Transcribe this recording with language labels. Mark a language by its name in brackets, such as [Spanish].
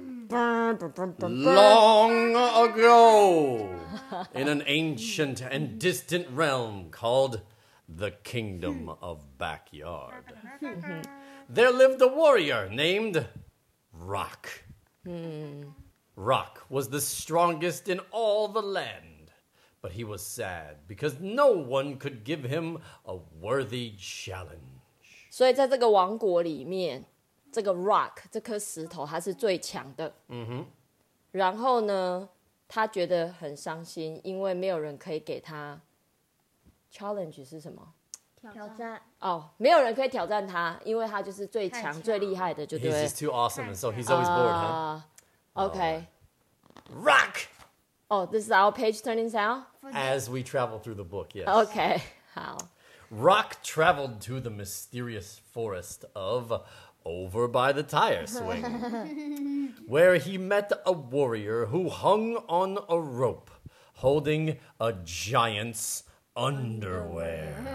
[English] Long ago, in an ancient and distant realm called the Kingdom of Backyard, there lived a warrior named Rock. Rock was the strongest in all the land, but he was sad because no one could give him a worthy challenge. [Chinese] 所以在这个王国里面，这个 rock 这颗石头它是最强的。然后呢，他觉得很伤心，因为没有人可以给他 challenge 是什么？挑战。哦，没有人可以挑战他，因为他就是最强、最厉害的，就对。 [English] He's just too awesome, and so he's always bored, huh? Okay. Rock. Oh, this is our page turning sound. As we travel through the book, yes. Okay. [Chinese] 好。 [English] Rock traveled to the mysterious forest of over by the tire swing, where he met a warrior who hung on a rope holding a giant's underwear.